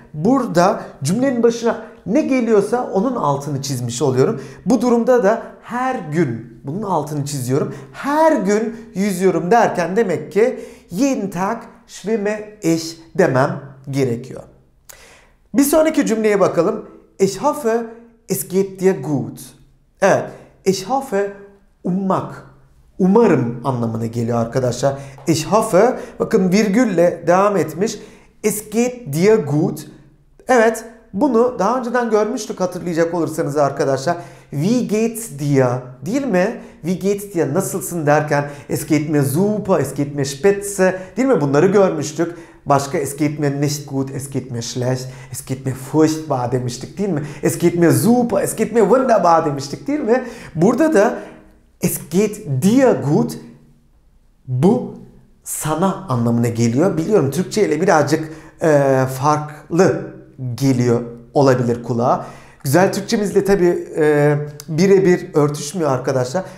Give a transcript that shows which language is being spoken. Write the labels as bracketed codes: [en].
[tr] Burada cümlenin başına ne geliyorsa onun altını çizmiş oluyorum. Bu durumda da her gün bunun altını çiziyorum. Her gün yüzüyorum derken demek ki [de] jeden Tag schwimme ich [tr] demem gerekiyor. Bir sonraki cümleye bakalım. [de] Ich hoffe es geht dir gut. [tr] Evet. [de] Ich hoffe [tr] ummak. Umarım anlamına geliyor arkadaşlar. [de] Ich hoffe, [tr] bakın virgülle devam etmiş. [de] Es geht dir gut. [tr] Evet. Bunu daha önceden görmüştük hatırlayacak olursanız arkadaşlar. [de] Wie geht's dir? [tr] Değil mi? [de] Wie geht's dir? [tr] Nasılsın derken [de] es geht mir super, es geht mir spitze. [tr] Değil mi? Bunları görmüştük. Başka [de] es geht mir nicht gut, es geht mir schlecht, es geht mir furchtbar [tr] demiştik değil mi? [de] Es geht mir super, es geht mir wunderbar [tr] demiştik değil mi? Burada da [de] es geht dir gut, [tr] bu sana anlamına geliyor. Biliyorum Türkçe ile birazcık farklı geliyor olabilir kulağa. Güzel Türkçemizle tabii birebir örtüşmüyor arkadaşlar.